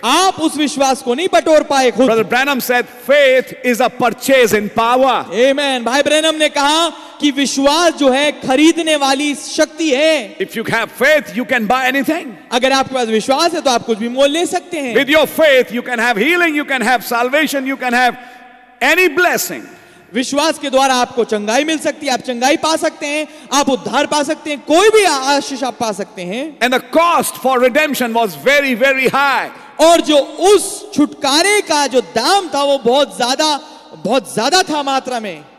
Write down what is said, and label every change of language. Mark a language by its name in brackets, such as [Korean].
[Hindi] आप उस विश्वास को नहीं बटोर पाए खुद. [English] Brother Branham said, faith is a purchase in power. Amen. [Hindi] भाई ब्रैनम ने कहा कि विश्वास जो है खरीदने वाली शक्ति है. [English] If you have faith, you can buy anything. [Hindi] अगर आपके पास विश्वास है तो आप कुछ भी मोल ले सकते हैं. [English] With your faith, you can have healing, you can have salvation, you can have any blessing. [Hindi] विश्वास के द्वारा आपको चंगाई मिल सकती है, आप चंगाई पा सकते हैं, आप उद्धार पा सकते हैं, कोई भी आशीष आप पा सकते हैं। [English] and the cost for redemption was very very high, [Hindi] और जो उस छुटकारे का जो दाम था वो बहुत ज्यादा था मात्रा में।